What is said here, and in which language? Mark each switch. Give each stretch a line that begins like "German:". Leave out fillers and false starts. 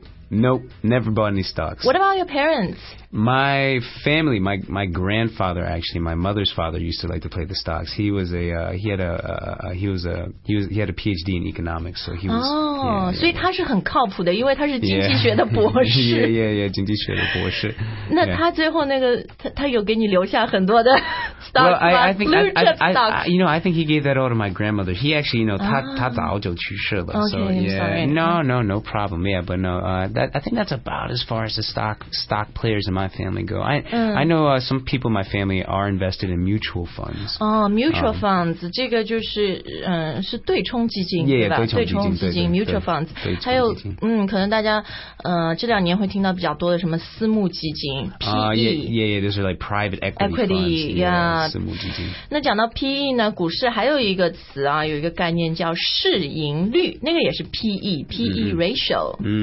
English: Nope, never bought any stocks. What about your parents? My family, my grandfather, actually, my mother's father used to like to play the stocks. He was a, he had a PhD in economics, so he was, oh, so he's
Chinese: 很靠谱的因为他是经济学的博士 yeah, 经济学的博士那他最后那个他有给你留下很多的
English: stock I think you know, I think he gave that all to my grandmother. He actually, you know,
Chinese: 他早就去世了,
English: okay, so yeah. I'm sorry. No problem. Yeah, but no, that I think that's about as far as the stock players in my family go. I know some people in my family are invested in mutual funds. Oh, mutual funds.
Chinese: 这个就是对冲基金,
English: yeah,
Chinese: 对冲基金, 对冲基金, mutual funds. 还有可能大家这两年会听到比较多的什么私募基金,
English: yeah, those are like private equity funds. Yeah.
Chinese: 那讲到 PE 呢, 股市还有一个词啊, 有一个概念叫市盈率, 那个也是PE, PE ratio.